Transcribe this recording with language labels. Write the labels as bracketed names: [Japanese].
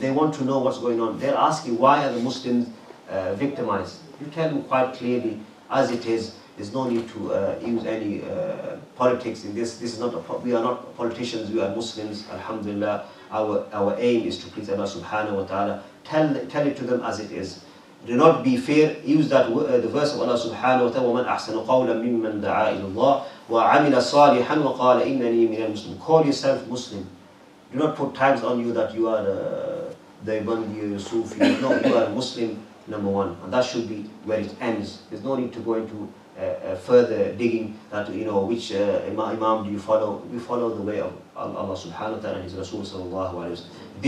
[English] They want to know what's going on. They're asking, why are the Muslims victimized? You tell them quite clearly, as it is, there's no need to use any politics in this. This is not we are not politicians, we are Muslims, alhamdulillah. Our aim is to please Allah subhanahu wa ta'ala. Tell it to them as it is. Do not be fear. [Arabic] Use that the verse of Allah subhanahu wa ta'ala, وَمَنْ أَحْسَنُ قَوْلًا مِمَّنْ دَعَىٰ إِلَى اللَّهِ وَعَمِلَ صَالِحًا وَقَالَ إِنَّنِي مِنَ الْمُسْلِمِ. [English] Call yourself Muslim. Do not put tags on you that you are the Ibandi or Sufi. No, you are Muslim, number one. And that should be where it ends. There's no need to go into further digging that, you know, which Imam do you follow? We follow the way of Allah subhanahu wa ta'ala and His Rasul sallallahu alayhi wa sallam.